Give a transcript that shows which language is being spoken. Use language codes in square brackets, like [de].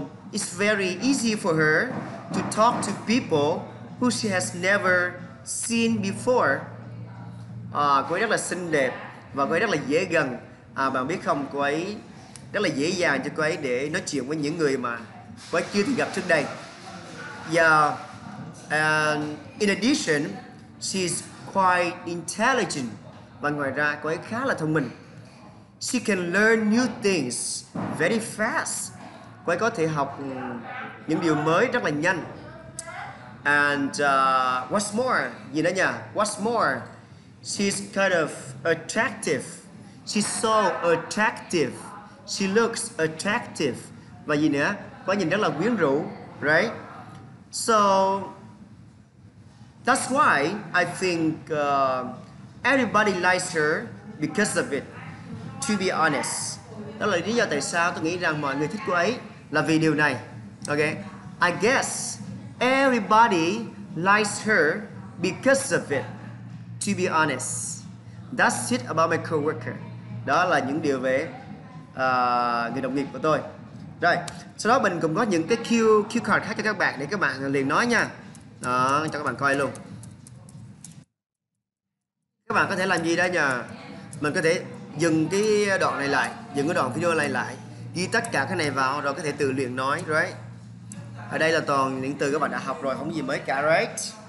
[en] It's very easy for her to talk to people who she has never seen before. [vi] Cô ấy rất là xinh đẹp và cô ấy rất là dễ gần. Bạn biết không, cô ấy rất là dễ dàng cho cô ấy để nói chuyện với những người mà cô ấy chưa từng gặp trước đây. Yeah. [en] And in addition, she's quite intelligent. [vi] Và ngoài ra, cô ấy khá là thông minh. [en] She can learn new things very fast. [vi] Cô ấy có thể học những điều mới rất là nhanh. [en] And what's more, [vi] gì nữa nhỉ? [en] What's more, she's kind of attractive. She's so attractive. She looks attractive. [vi] Và gì nữa? Cô ấy nhìn rất là quyến rũ, right? [en] So that's why I think everybody likes her because of it. To be honest, [vi] đó là lý do tại sao tôi nghĩ rằng mọi người thích cô ấy là vì điều này. [en] Okay, I guess everybody likes her because of it. To be honest, that's it about my coworker. [vi] Đó là những điều về người đồng nghiệp của tôi. Rồi, sau đó mình cũng có những cái cue card khác cho các bạn để các bạn liền nói nha. Đó, cho các bạn coi luôn. Các bạn có thể làm gì đây nhờ? Mình có thể dừng cái đoạn này lại, dừng cái đoạn video này lại, ghi tất cả cái này vào rồi có thể tự luyện nói, right? Ở đây là toàn những từ các bạn đã học rồi, không gì mới cả, right?